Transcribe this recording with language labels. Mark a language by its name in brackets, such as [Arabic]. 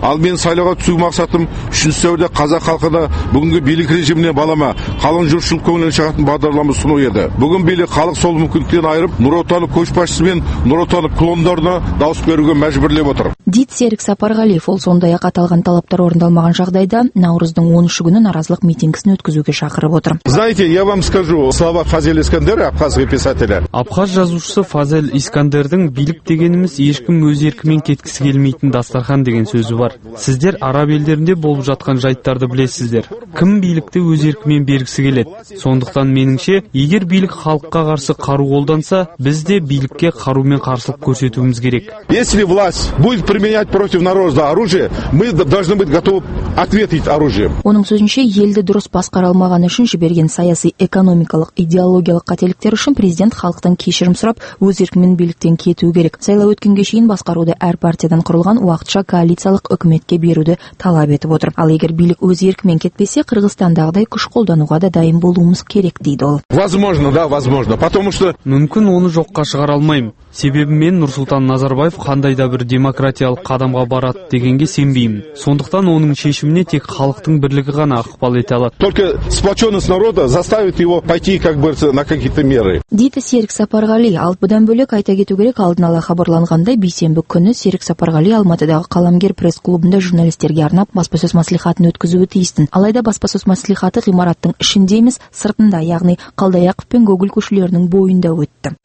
[Kazakh] Ал мен сайлауға түсу мақсатым 3 сәуірде қазақ халқына бүгінгі билік режиміне балама, қалың жұртшылық көңілінен шығатын бағдарлама ұсыну еді. Бүгін билік халық сол мүмкіндіктен айырып, Нұр Отанның көшбасшысы мен Нұр Отанның клондарына дауыс беруге мәжбүрлеп отыр. Серік Сапарғалиев ол сондай-ақ аталған талаптар орындалмаған жағдайда наурыздың 13 күні наразылық митингісін өткізуге шақырып отыр. [Russian] Знаете, я вам скажу, слова Фазель Искандера, абхазский писателя. [Kazakh] Абхаз жазушысы Фазель Искандердің билік дегеніміз ешкім өз еркімен кеткісі келмейтін дастархан деген сөзі бар. Сіздер араб елдерінде болып жатқан жайттарды білесіздер. Кім билікті өз еркімен бергісі келеді? Сондықтан меніңше, егер билік халыққа қарсы қару қолданса, біз де билікке қарумен қарсылық көрсетуіміз керек. [Russian] Если власть будет применять против народа оружие, мы должны быть готовы ответить оружием. [Kazakh] Оның сөзінше елді дұрыс басқара алмағаны үшін жіберген саяси, экономикалық, идеологиялық қателіктер үшін президент халықтан кешірім сұрап, өз еркімен биліктен кетуі керек. Сайлау өткенге шейін басқаруды әр партиядан құрылған уақытша коалициялық үкіметке беруді талап етіп отыр. Ал егер билік өз еркімен кетпесе, Қырғызстандағыдай күш қолдануға да дайын болуымыз керек, дейді ол. [Russian] Возможно, да, возможно, потому что [Kazakh] мүмкін оны жоққа шығара алмаймын. Себебі мен Нұрсұлтан Назарбаев қандай да бір демократиялық қадамға барады дегенге сенбеймін. Сондықтан оның шешіміне тек халықтың бірлігі ғана ықпал ете алады. [Russian] Только сплоченность народа заставит его пойти как бы на какие-то меры. [Kazakh] Дейді Серік Сапарғали. Ал бұдан бөлек айта кету керек, алдын ала хабарланғандай бейсенбі күні Серік Сапарғали Алматыдағы қаламгер пресс-клубында журналистерге арнап баспасөз мәслихатын өткізуі тиістін. Алайда баспасөз мәслихаты ғимараттың ішінде емес, сыртында, яғни Қалдаяқов пен Гоголь көшелерінің бойында өтті.